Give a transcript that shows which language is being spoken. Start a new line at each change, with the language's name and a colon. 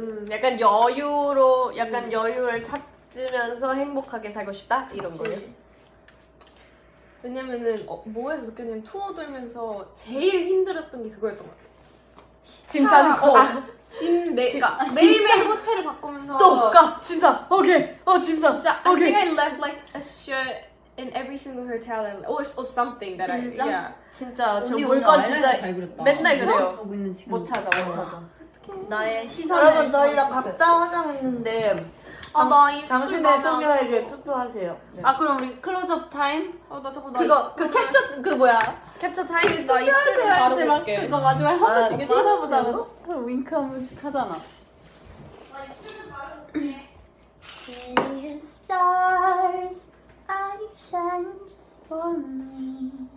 Korean: 약간 여유로 약간 여유를 찾으면서 행복하게 살고 싶다 이런 거예요. 왜냐면은 뭐에서 느꼈냐면 투어 돌면서 제일 힘들었던 게 그거였던 것 같아. 짐 싸는 거. 짐 메가 매일매일 호텔을 바꾸면서 또가 짐싸 오케이 어 짐싸 진짜 오케이.
English: I think I left like a shirt in every single hotel and or something that
Korean: 진짜?
English: I yeah.
Korean: 진짜 저 물건 진짜 맨날 그래요. 있는 못 찾아 못 찾아. 나의 시선 여러분 저희 다 각자 화장했는데 아, 나 당신의 소녀에게 투표하세요. 네. 아 그럼 우리 클로즈업 타임? 어 나 잠깐 그거 그 캡처 그 뭐야? 캡처 타임 그, 나 입술 좀 바르고 그거 마지막에 한 번씩 이게 쳐다보지 않았어? 그럼 윙크 한 번씩 하잖아. 나 입술 좀 바르고 올게.
English: See the stars, I shine just for me.